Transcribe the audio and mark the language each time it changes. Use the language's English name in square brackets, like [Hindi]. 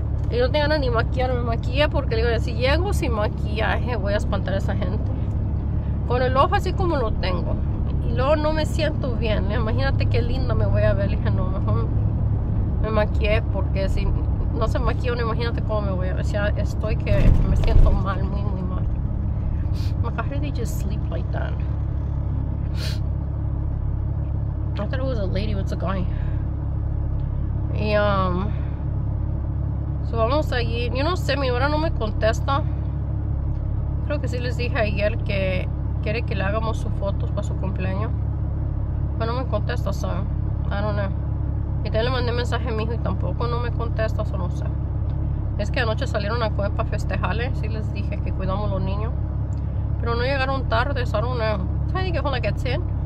[Spanish] Y no tengo ganas ni maquillar, me maquillé porque le digo, si llego sin maquillaje voy a espantar a esa gente. Con el ojo así como lo tengo. Y luego no me siento bien. Imagínate qué linda me voy a ver. Le dije, no, mejor me maquillé porque si no se maquilla, no, imagínate cómo me voy a ver. O sea, estoy que me siento mal, muy, muy mal. [English] How did they just sleep like that? I thought it was a lady, but it's a guy. [Spanish] Y, so vamos allí, yo no sé, mi nuera no me contesta. Creo que sí les dije ayer que quiere que le hagamos sus fotos para su cumpleaños, pero no me contesta, [English] so I don't know. [Spanish] Y también le mandé mensaje a mi hijo y tampoco no me contesta, so no sé. Es que anoche salieron a comer para festejarle, sí les dije que cuidamos a los niños, pero no llegaron tarde, [English] so I don't know. [Spanish] ¿Sabes qué hora que es?